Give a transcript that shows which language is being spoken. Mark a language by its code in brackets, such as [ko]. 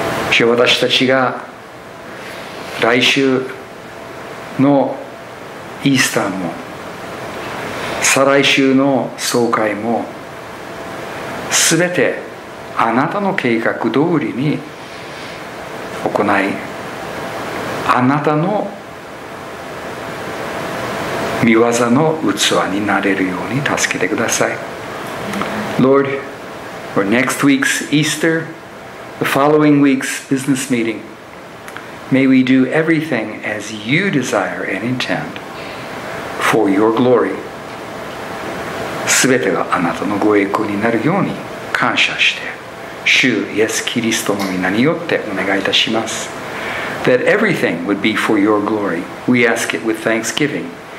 [ja] 主よ、私たちが来週のイースターも、再来週の総会も、すべてあなたの計画通りに行い、あなたの御業の器になれるように助けてください。 [en] Lord, for next week's Easter, the following week's business meeting, may we do everything as you desire and intend for your glory. [ja] すべてがあなたのご栄光になるように感謝して、主イエス・キリストの名によってお願いいたします。 [en] That everything would be for your glory, we ask it with thanksgiving.